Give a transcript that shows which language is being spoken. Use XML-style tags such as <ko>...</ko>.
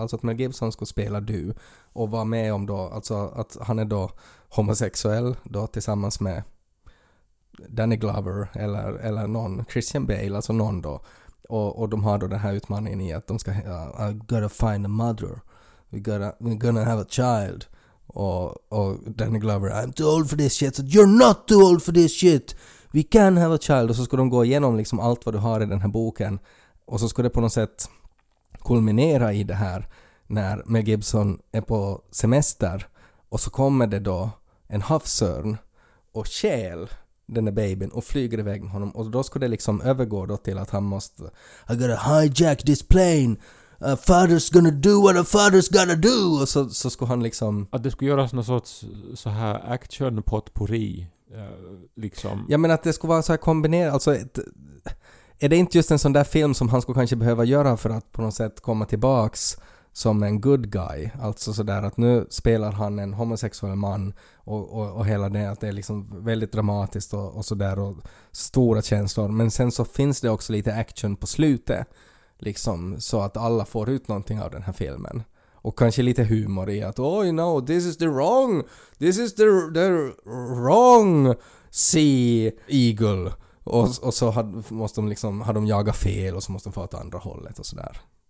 <sv>Alltså att Mel Gibson skulle spela du och vara med om då. Alltså att han är då homosexuell då tillsammans med Danny Glover eller någon. Christian Bale, alltså någon då. Och de har då den här utmaningen i att de ska</sv> <en>I gotta find a mother. We're gonna have a child. Och Danny Glover, I'm too old for this shit. So you're not too old for this shit. We can have a child.</en> <sv>Och så ska de gå igenom liksom allt vad du har i den här boken. Och så ska det på något sätt kulminera i det här när Mel Gibson är på semester. Och så kommer det då en havsörn och käl den där babyn och flyger iväg med honom. Och då ska det liksom övergå då till att han måste</sv> <en>I gotta hijack this plane. A father's gonna do what a father's gonna do.</en> <sv>Och så skulle han liksom att det skulle göras någon sorts så här action potpourri liksom. Ja men att det skulle vara så här kombinerat. Alltså är det inte just en sån där film som han skulle kanske behöva göra för att på något sätt komma tillbaks som en</sv> <en>good guy,</en> <sv>alltså sådär att nu spelar han en homosexuell man och hela det, att det är liksom väldigt dramatiskt och sådär och stora känslor, men sen så finns det också lite action på slutet liksom, så att alla får ut någonting av den här filmen och kanske lite humor i att oj</sv> <en>no, this is the wrong, this is the wrong sea eagle,</en> <sv>och så måste de liksom, har de jagat fel och så måste de få åt andra hållet och sådär.</sv>